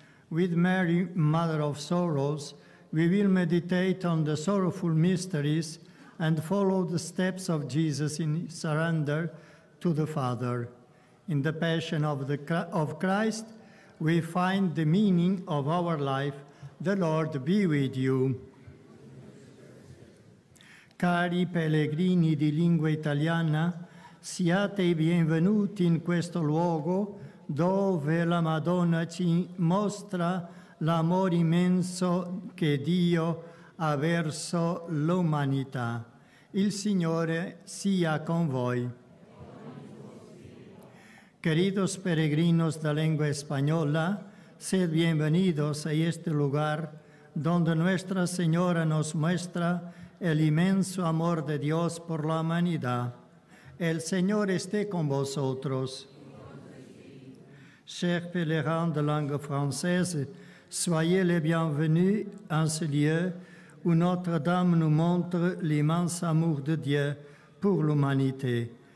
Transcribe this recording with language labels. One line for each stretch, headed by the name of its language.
English: With Mary, Mother of Sorrows, we will meditate on the sorrowful mysteries and follow the steps of Jesus in surrender to the Father. In the Passion of Christ, we find the meaning of our life. The Lord be with you.
Italian: Cari pellegrini di lingua italiana, siate i benvenuti in questo luogo dove la Madonna ci mostra l'amore immenso che Dio ha verso l'umanità. Il Signore sia con voi.
Spanish: Queridos peregrinos de lengua española, sed bienvenidos a este lugar donde Nuestra Señora nos muestra el inmenso amor de Dios por la humanidad. El Señor esté con vosotros.
French: Chers pèlerins de langue française, soyez les bienvenus en ce lieu où Notre-Dame nous montre l'immense amour de Dieu pour l'humanité.